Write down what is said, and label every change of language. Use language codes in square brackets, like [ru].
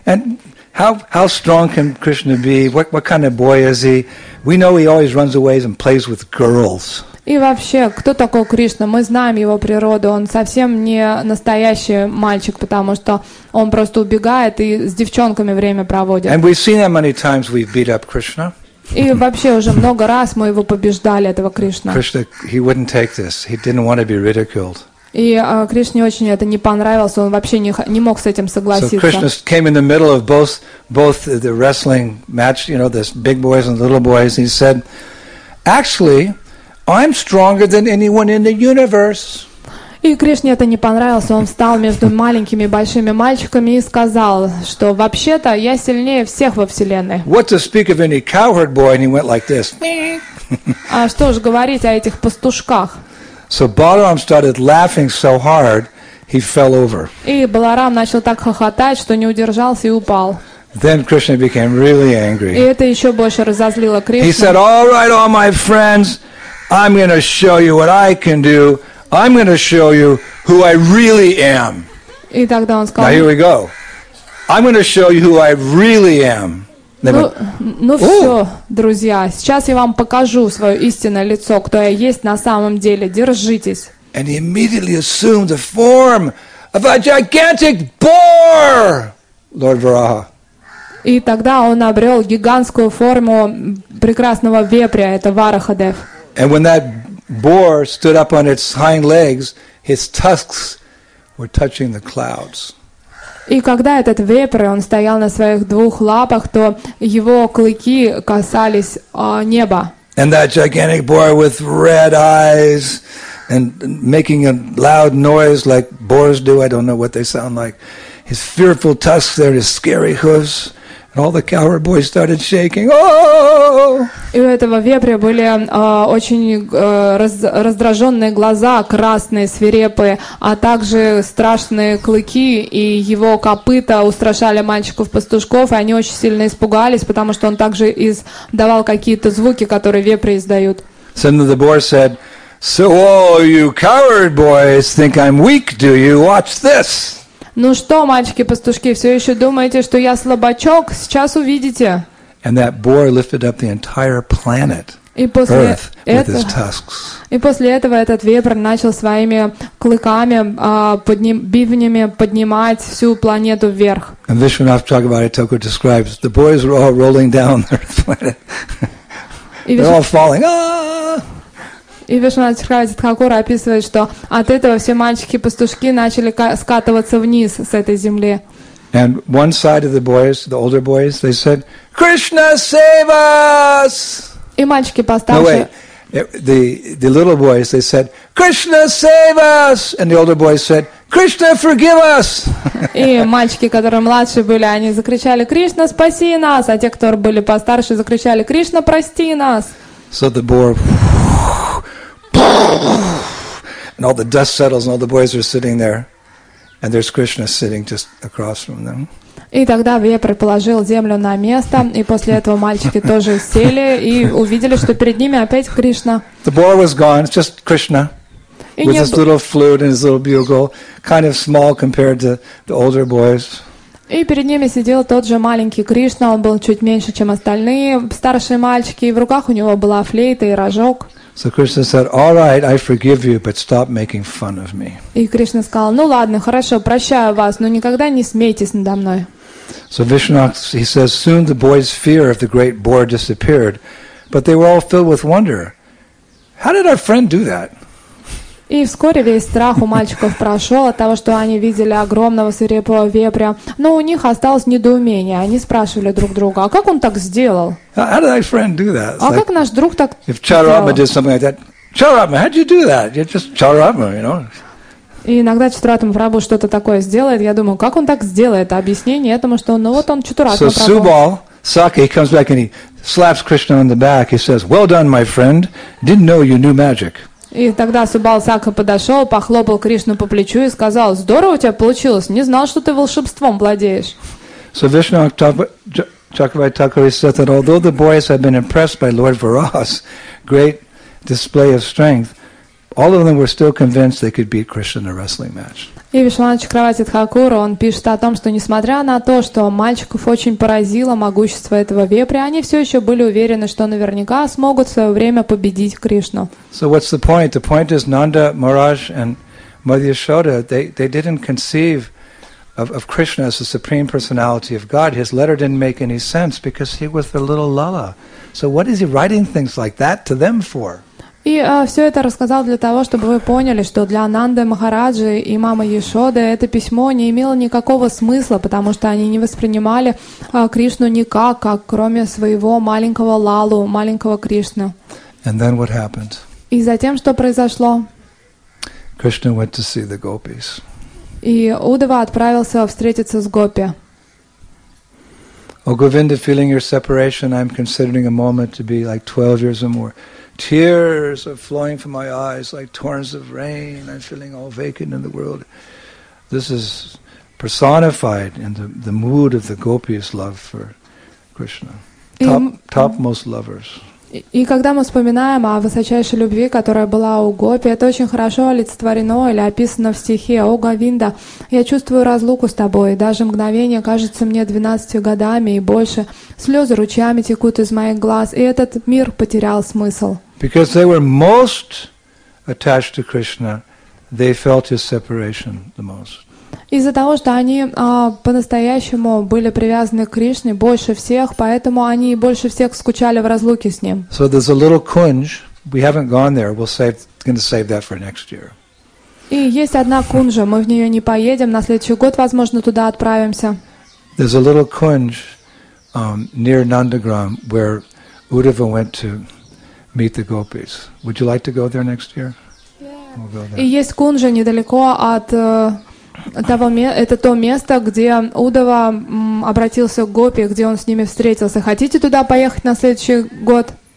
[en] And how strong can Krishna be? What kind of boy is he? We know he always runs away and plays with girls. [ru] И вообще, кто такой Кришна? Мы знаем его природу. Он совсем не настоящий мальчик, потому что он просто убегает и с девчонками время проводит. [en] And we've seen how many times we've beat up Krishna. [ru] И вообще уже много раз мы его побеждали, этого Кришна. [en] Krishna, he wouldn't take this. He didn't want to be ridiculed. [ru] И Кришне очень это не понравилось, он вообще не мог с этим согласиться. [en] So Krishna came in the middle of both the wrestling match, you know, this big boys and little boys, and he said, "Actually, I'm stronger than anyone in the universe." [ru] И Кришне это не понравилось, он встал между маленькими и большими мальчиками и сказал, что вообще-то я сильнее всех во Вселенной. [en] What to speak of any cowherd boy, and he went like this. [ru] А что ж говорить о этих пастушках? [en] So Balaram started laughing so hard, he fell over. [ru] И Баларам начал так хохотать, что не удержался и упал. [en] Then Krishna became really angry. [ru] И это еще больше разозлило Кришну. [en] He said, "All right, all my friends, I'm going to show you what I can do. I'm going to show you who I really am." [ru] И тогда он сказал. [en] Now here we go. I'm going to show you who I really am. [ru] Ну все, друзья, сейчас я вам покажу свое истинное лицо, кто я есть на самом деле. Держитесь. [en] And he immediately assumed the form of a gigantic boar, Lord Varaha. [ru] И тогда он обрел гигантскую форму прекрасного вепря, это Варахадев. [en] And when that boar stood up on its hind legs, his tusks were touching the clouds. [ru] И когда этот вепрь, он стоял на своих двух лапах, то его клыки касались неба. [en] And that gigantic boar with red eyes and making a loud noise like boars do, I don't know what they sound like, his fearful tusks there, his scary hooves, And all the coward boys started shaking. [ru] И у этого вепря были очень раздраженные глаза, красные, свирепые, а также страшные клыки, и его копыта устрашали мальчиков-пастушков, и они очень сильно испугались, потому что он также издавал какие-то звуки, которые вепри издают. [en] Then the boar said, "So, you coward boys think I'm weak, do you? Watch this." [ru] Ну что, мальчики-пастушки, все еще думаете, что я слабачок? Сейчас увидите. [en] And that boar lifted up the entire planet, Earth, with his tusks. [ru] И после этого этот вепрь начал своими клыками, бивнями поднимать всю планету вверх. [en] And Vishwanath Chakravarti describes the boys were all rolling down their planet. They're all falling. [ru] И Вишванат Чакравати-Тхакура описывает, что от этого все мальчики-пастушки начали скатываться вниз с этой земли. [en] And one side of the boys, the older boys, they said, "Krishna, save us!" [ru] И мальчики постарше. [en] No, wait. The little boys, they said, "Krishna, save us!" And the older boys said, "Krishna, forgive us!" [ru] И мальчики, которые младше были, они закричали, "Krishna, спаси нас!" А те, которые были постарше, закричали, "Krishna, прости нас!" [en] So the boar... And all the dust settles, and all the boys are sitting there, and there's Krishna sitting just across from them. [ru] И тогда вепрь положил землю на место, и после этого мальчики тоже сели и увидели, что перед ними опять Кришна. [en] The boar was gone, just Krishna, with his little flute and his little bugle, kind of small compared to the older boys. [ru] И перед ними сидел тот же маленький Кришна, он был чуть меньше, чем остальные старшие мальчики, и в руках у него была флейта и рожок. [en] So Krishna said, "All right, I forgive you, but stop making fun of me." [ru] И Кришна сказал, "Ну ладно, хорошо, прощаю вас, но никогда не смейтесь надо мной." [en] So Vishwanath, he says, soon the boys' fear of the great boar disappeared, but they were all filled with wonder. How did our friend do that? [ru] И вскоре весь страх у мальчиков прошел от того, что они видели огромного свирепого вепря. Но у них осталось недоумение. Они спрашивали друг друга, а как он так сделал? [en] How did my friend do that? [ru] А как наш друг так сделал? [en] If Charama did something like that, Charama, how did you do that? You're just Charama, you know? [ru] И иногда Чатуратма Прабху что-то такое сделает. Я думаю, как он так сделает? Объяснение этому, что ну вот он Чатуратма Прабху. [en] So Subal, Saki, comes back and he slaps Krishna on the back. He says, "Well done, my friend. Didn't know you knew magic." [ru] И тогда Субал Сакха подошел, похлопал Кришну по плечу и сказал, здорово у тебя получилось, не знал, что ты волшебством владеешь. [en] So Vishnu Chakravarti Thakur said that although the boys had been impressed by Lord Varaha's great display of strength, all of them were still convinced they could beat Krishna in a wrestling match. [ru] И Вишванат Чакравати Тхакура, он пишет о том, что несмотря на то, что мальчиков очень поразило могущество этого вепря, они все еще были уверены, что наверняка смогут в свое время победить Кришну. [en] So what's the point? The point is Nanda Maharaj and Mother Yashoda, they didn't conceive of Krishna as the Supreme Personality of God. His letter didn't make any sense because he was the little Lala. So what is he writing things like that to them for? [ru] И все это рассказал для того, чтобы вы поняли, что для Ананды Махараджи и мамы Яшоды это письмо не имело никакого смысла, потому что они не воспринимали Кришну никак, как кроме своего маленького Лалу, маленького Кришны. [en] And then what happened? [ru] И затем что произошло? [en] Krishna went to see the gopis. [ru] И Удава отправился встретиться с гопи. [en] Oh, Govinda, feeling your separation, I'm considering a moment to be like 12 years or more. Tears are flowing from my eyes like torrents of rain. I'm feeling all vacant in the world. This is personified in the mood of the gopis' love for Krishna. Topmost lovers. [ru] И когда мы вспоминаем о высочайшей любви, которая была у гопи, это очень хорошо олицетворено или описано в стихе. О, Говинда, я чувствую разлуку с тобой, даже мгновение кажется мне 12 годами и больше. Слезы ручьями текут из моих глаз, и этот мир потерял смысл. [en] Because they were most attached to Krishna, they felt his separation the most. [ru] Из-за того, что они по-настоящему были привязаны к Кришне больше всех, поэтому они больше всех скучали в разлуке с ним. [en] So there's a little kunj. We haven't gone there. We're going to save that for next year. [ru] И есть одна кунжа. Мы в нее не поедем. На следующий год, возможно, туда отправимся. [en] There's a little kunj near Nandagram where Uddhava went to meet the gopis. Would you like to go there next year? Yeah. We'll go there. [ru] И есть кунжа недалеко от Это то место, где Удава обратился к Гопи, где он с ними встретился. Хотите туда поехать на следующий год?